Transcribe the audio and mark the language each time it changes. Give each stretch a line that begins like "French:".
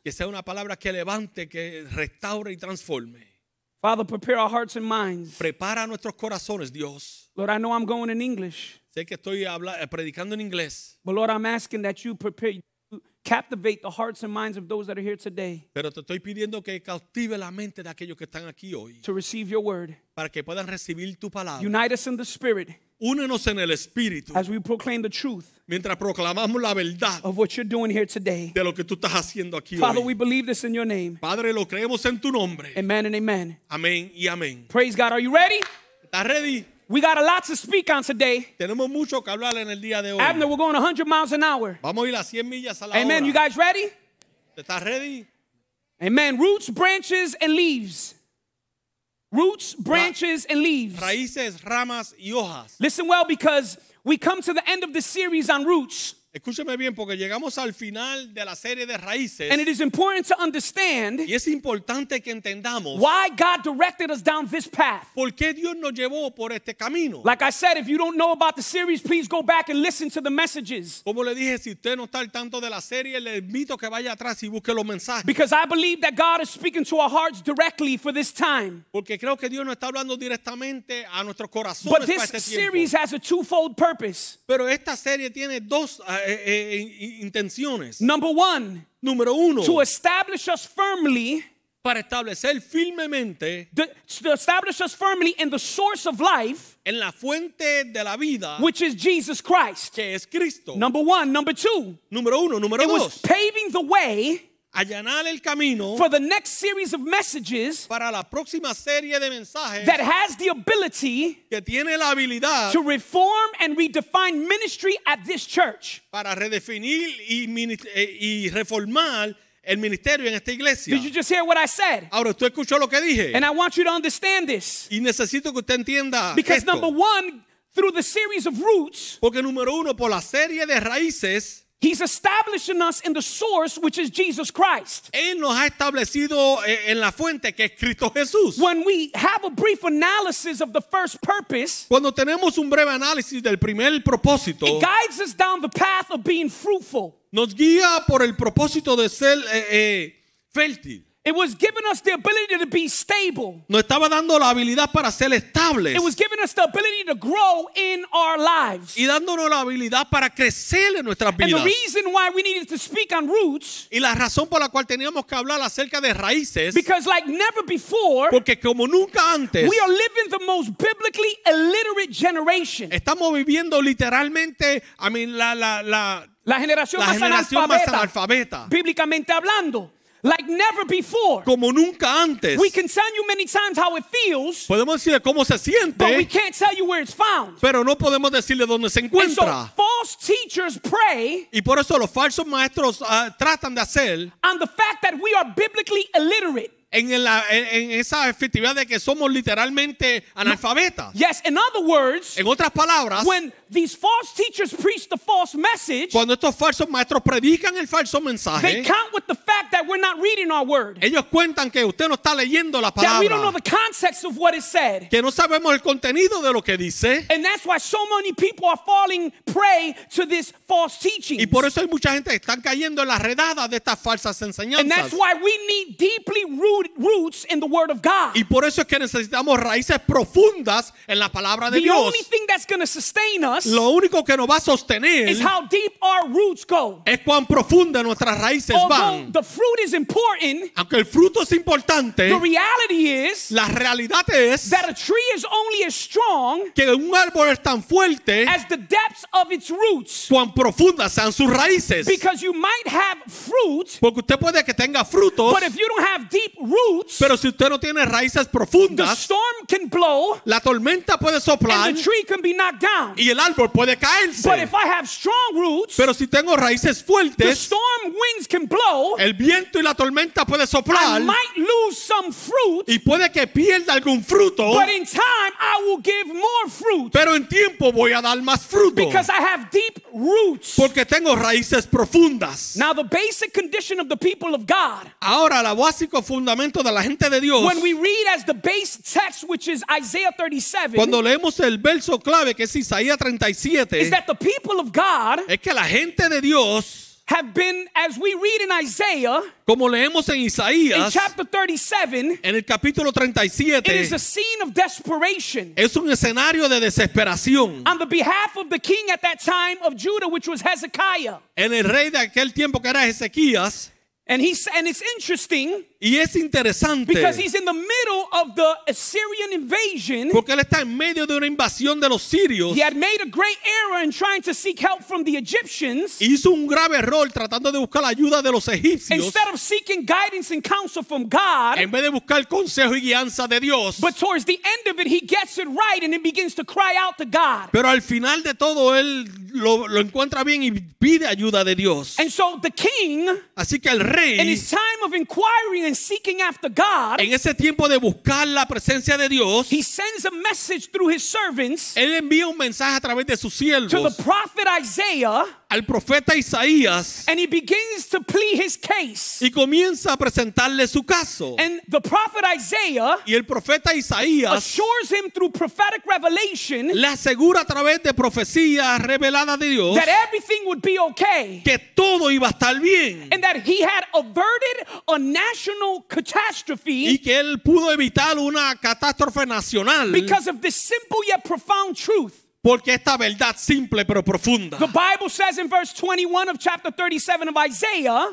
Spanish: Que sea una palabra que levante, que restaure y transforme.
English: Father, prepare our hearts and minds.
Spanish: Prepara nuestros corazones, Dios.
English: Lord, I know I'm going in English.
Spanish: Sé que estoy predicando en inglés.
English: But Lord, I'm asking that you prepare, captivate the hearts and minds of those that are here today.
Spanish: Pero te estoy pidiendo que cautive la mente de aquellos que están aquí hoy.
English: To receive your word.
Spanish: Para que puedan recibir tu palabra.
English: Unite us in the spirit.
Spanish: Únenos en el espíritu.
English: As we proclaim the truth.
Spanish: Mientras proclamamos la verdad.
English: Of what you're doing here today.
Spanish: De lo que tú estás haciendo aquí
English: Father, Father, we believe this in your name.
Spanish: Padre, lo creemos en tu nombre.
English: Amen and amen.
Spanish: Amén y amén.
English: Praise God. Are you ready?
Spanish: ¿Estás
English: ready? We got a lot to speak on today.
Spanish: Tenemos mucho que hablar en el día de hoy.
English: Abner, we're going 100 miles an hour.
Spanish: Vamos a ir a 100 millas a la
English: amen.
Spanish: Hora.
English: Amen. You guys ready?
Spanish: ¿Estás
English: ready? Amen. Roots, branches, and leaves. Roots, branches, and leaves.
Spanish: Raíces, ramas, y hojas.
English: Listen well, because we come to the end of the series on roots.
Spanish: Escúcheme bien, porque llegamos al final de la serie de raíces.
English: And it is important to understand
Spanish: y es importante que entendamos
English: why God directed us down this path.
Spanish: ¿Por qué Dios nos llevó por este camino?
English: Like I said, if you don't know about the series, please go back and listen to the messages.
Spanish: Como le dije, si usted no está al tanto de la serie, le invito que vaya atrás y busque los mensajes.
English: Because I believe that God is speaking to our hearts directly for this time.
Spanish: Porque creo que Dios nos está hablando directamente a nuestros corazones para este tiempo.
English: But this series has a twofold purpose.
Spanish: Pero esta serie tiene dos intenciones.
English: Number one,
Spanish: número uno,
English: to establish us firmly,
Spanish: para establecer firmemente,
English: to establish us firmly in the source of life,
Spanish: en la fuente de la vida,
English: which is Jesus Christ,
Spanish: que es Cristo.
English: Number one, number two,
Spanish: número uno, número
English: it
Spanish: dos,
English: was paving the way,
Spanish: allanar el camino,
English: for the next series of messages,
Spanish: para la próxima serie de mensajes,
English: that has the ability,
Spanish: que tiene la habilidad,
English: to reform and redefine ministry at this church,
Spanish: para redefinir y reformar el ministerio en esta iglesia.
English: Did you just hear what I said?
Spanish: Ahora, ¿tú escuchó lo que dije?
English: And I want you to understand this.
Spanish: Y necesito que usted entienda
English: because
Spanish: esto.
English: Number one, through the series of roots,
Spanish: porque número uno, por la serie de raíces,
English: He's establishing us in the source, which is Jesus Christ.
Spanish: Él nos ha establecido en la fuente, que es Cristo Jesús.
English: When we have a brief analysis of the first purpose,
Spanish: cuando tenemos un breve análisis del primer propósito,
English: it guides us down the path of being fruitful.
Spanish: Nos guía por el propósito de ser fértil.
English: It was giving us the ability to be stable.
Spanish: Nos estaba dando la habilidad para ser estables.
English: It was giving us the ability to grow in our lives.
Spanish: Y dándonos la habilidad para crecer en nuestras vidas.
English: And the reason why we needed to speak on roots.
Spanish: Y la razón por la cual teníamos que hablar acerca de raíces.
English: Because like never before.
Spanish: Porque como nunca antes.
English: We are living the most biblically illiterate generation.
Spanish: Estamos viviendo literalmente,
English: I mean,
Spanish: la generación más analfabeta. Bíblicamente hablando.
English: Like never before.
Spanish: Como nunca antes.
English: We can tell you many times how it feels.
Spanish: Podemos decirle cómo se siente.
English: But we can't tell you where it's found.
Spanish: Pero no podemos decirle dónde se encuentra.
English: And so false teachers prey.
Spanish: Y por eso los falsos maestros tratan de hacer.
English: On the fact that we are biblically illiterate.
Spanish: En esa efectividad de que somos literalmente analfabetas.
English: Yes, in other words,
Spanish: en otras palabras,
English: when these false teachers preach the false message,
Spanish: cuando estos falsos maestros predican el falso mensaje,
English: they count with the fact that we're not reading our word.
Spanish: Ellos cuentan que usted no está leyendo la palabra.
English: That we don't know the context of what is said.
Spanish: Que no sabemos el contenido de lo que dice.
English: And that's why so many people are falling prey to this false teaching.
Spanish: Y por eso hay mucha gente que están cayendo en la redada de estas falsas enseñanzas.
English: And that's why we need deeply roots in the word of God.
Spanish: Y por eso es que necesitamos raíces profundas en la palabra de
English: the
Spanish: Dios.
English: The only thing that's going to sustain us,
Spanish: lo único que nos va a sostener,
English: is how deep our roots go.
Spanish: Es cuán profundas nuestras raíces
English: Although
Spanish: van.
English: Although the fruit is important,
Spanish: aunque el fruto es importante,
English: the reality is,
Spanish: la realidad es,
English: that a tree is only as strong,
Spanish: que un árbol es tan fuerte,
English: as the depths of its roots.
Spanish: Cuán profundas sean sus raíces.
English: Because you might have fruit,
Spanish: porque usted puede que tenga frutos,
English: but if you don't have deep roots,
Spanish: Pero si usted no tiene raíces profundas,
English: the storm can blow,
Spanish: la tormenta puede soplar,
English: and the tree can be knocked down.
Spanish: Y el árbol puede caerse.
English: But if I have strong roots,
Spanish: pero si tengo raíces fuertes,
English: the storm winds can blow,
Spanish: el viento y la tormenta puede soplar,
English: I might lose some fruit,
Spanish: y puede que pierda algún fruto,
English: but in time I will give more fruit,
Spanish: pero en tiempo voy a dar más fruto,
English: because I have deep roots.
Spanish: Porque tengo raíces profundas.
English: Now the basic condition of the people of God.
Spanish: Ahora el básico fundamento de la gente de Dios.
English: When we read as the base text, which is Isaiah 37.
Spanish: Cuando leemos el verso clave que es Isaías 37.
English: Is that the people of God?
Spanish: Es que la gente de Dios.
English: Have been, as we read in Isaiah,
Spanish: como leemos en Isaías,
English: in chapter 37,
Spanish: en el capítulo 37,
English: it is a scene of desperation.
Spanish: Es un escenario de desesperación.
English: On the behalf of the king at that time of Judah, which was Hezekiah,
Spanish: en el rey de aquel tiempo que era Ezequías,
English: and it's interesting,
Spanish: y es interesante,
English: because he's in the middle of the Assyrian invasion,
Spanish: porque él está en medio de una invasión de los sirios.
English: He had made a great error in trying to seek help from the Egyptians,
Spanish: hizo un grave error tratando de buscar la ayuda de los egipcios,
English: instead of seeking guidance and counsel from God,
Spanish: en vez de buscar consejo y guianza de Dios.
English: But towards the end of it, he gets it right and he begins to cry out to God.
Spanish: Pero al final de todo, él lo encuentra bien y pide ayuda de Dios.
English: And so the king,
Spanish: así que el rey,
English: in his time of inquiry and seeking after God,
Spanish: en ese tiempo de buscar la presencia de Dios,
English: he sends a message through his servants,
Spanish: él envía un mensaje a través de sus siervos,
English: to the prophet Isaiah,
Spanish: al profeta Isaías,
English: and he begins to plead his case,
Spanish: y comienza a presentarle su caso,
English: and the prophet Isaiah,
Spanish: y el profeta Isaías,
English: assures him through prophetic revelation,
Spanish: le asegura a través de profecía revelada de Dios,
English: that everything would be okay,
Spanish: que todo iba a estar bien,
English: and that he had averted a national catastrophe,
Spanish: y que él pudo evitar una catástrofe nacional,
English: because of this simple yet profound truth.
Spanish: Porque esta verdad simple pero profunda.
English: The Bible says in verse 21 of chapter 37 of Isaiah.